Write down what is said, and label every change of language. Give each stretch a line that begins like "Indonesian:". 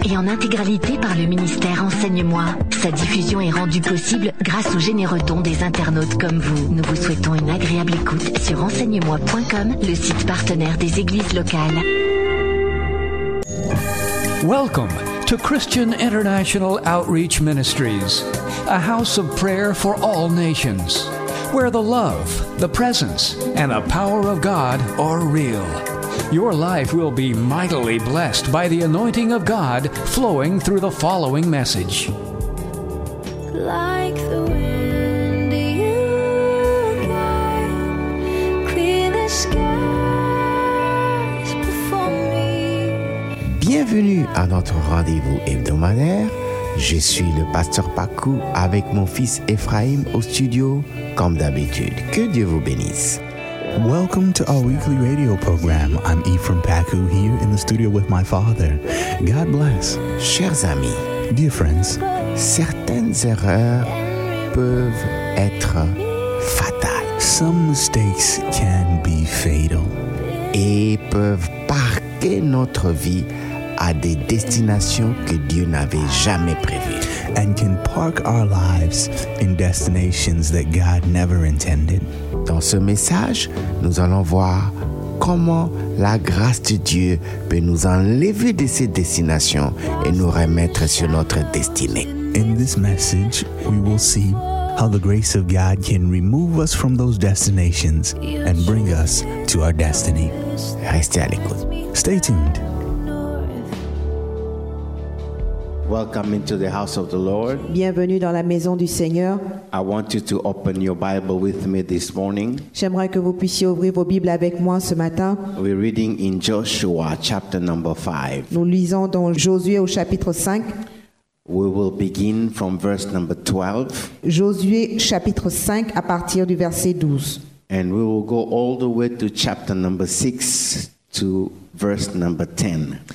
French: Et en intégralité par le ministère Enseigne-moi. Sa diffusion est rendue possible grâce aux généreux dons des internautes comme vous. Nous vous souhaitons une agréable écoute sur enseignemoi.com, le site partenaire des églises locales.
English: Welcome to Christian International Outreach Ministries, a house of prayer for all nations, where the love, the presence, and the power of God are real. Your life will be mightily blessed by the anointing of God flowing through the following message. Like the wind you guide, clear the skies before me.
French: Bienvenue à notre rendez-vous hebdomadaire. Je suis le pasteur Pacou avec mon fils Ephraim au studio, comme d'habitude. Que Dieu vous bénisse.
English: Welcome to our weekly radio program. I'm Ephraim Pacou here in the studio with my father. God bless.
French: Chers amis,
English: dear friends,
French: certaines erreurs peuvent être fatales.
English: Some mistakes can be fatal.
French: Et peuvent parquer notre vie à des destinations que Dieu n'avait jamais prévues.
English: And can park our lives in destinations that God never intended.
French: Dans ce message, nous allons voir comment la grâce de Dieu peut nous enlever de ces destinations et nous remettre sur notre destinée.
English: In this message, we will see how the grace of God can remove us from those destinations and bring us to our destiny.
French: Restez à l'écoute.
English: Stay tuned. Welcome into the house of the Lord.
French: Bienvenue dans la maison du Seigneur.
English: I want you to open your Bible with me this morning.
French: J'aimerais que vous puissiez ouvrir vos Bibles avec moi ce matin.
English: We're reading in Joshua chapter number 5.
French: Nous lisons dans Josué au chapitre 5.
English: We will begin from verse number 12.
French: Josué chapitre 5 à partir du verset 12.
English: And we will go all the way to chapter number 6 to verse number 10.